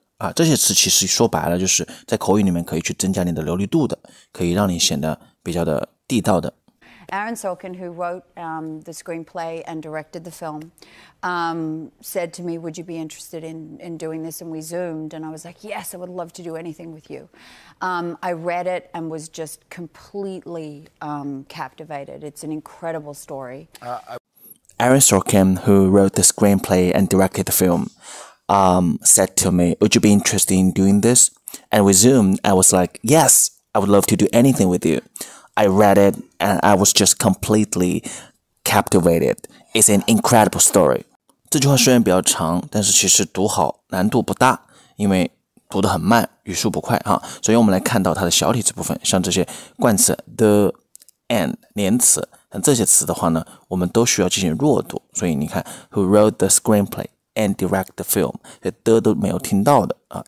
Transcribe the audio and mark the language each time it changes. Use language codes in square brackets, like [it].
[zh] 啊，这些词其实说白了就是在口语里面可以去增加你的流利度的，可以让你显得比较的地道的。 [en] Aaron Sorkin, who wrote the screenplay and directed the film, said to me, "Would you be interested in doing this?" And we Zoomed, and I was like, "Yes, I would love to do anything with you." I read it and was just completely captivated. It's an incredible story. Aaron Sorkin, who wrote the screenplay and directed the film. Said to me, would you be interested in doing this? And we Zoomed, I was like, yes, I would love to do anything with you. I read it and I was just completely captivated. It's an incredible story. [zh] 这句话虽然比较长，但是其实读好难度不大，因为读得很慢，语速不快哈。所以我们来看到它的小体字部分，像这些冠词 the and 连词，像这些词的话呢，我们都需要进行弱读。所以你看 [en] who wrote the screenplay? And direct the film， [zh] 所以的都没有听到的啊。